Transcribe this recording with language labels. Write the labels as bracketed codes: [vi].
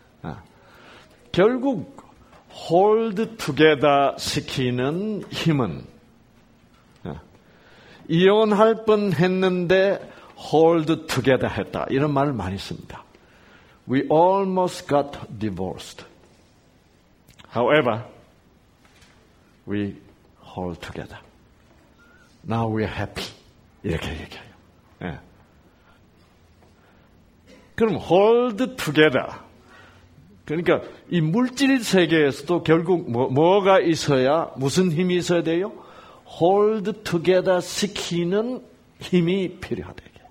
[ko] 아. 결국 [en] hold together [ko] 시키는 힘은 아. 이혼할 뻔 했는데 [en] hold together [ko] 했다 이런 말 많이 씁니다. [en] We almost got divorced. However, we all together. Now we are happy. [ko] 이렇게 얘기해요. 예. 그럼 [en] hold together. [ko] 그러니까 이 물질 세계에서도 결국 뭐가 있어야 무슨 힘이 있어야 돼요? [en] hold together [ko] 시키는 힘이 필요하대.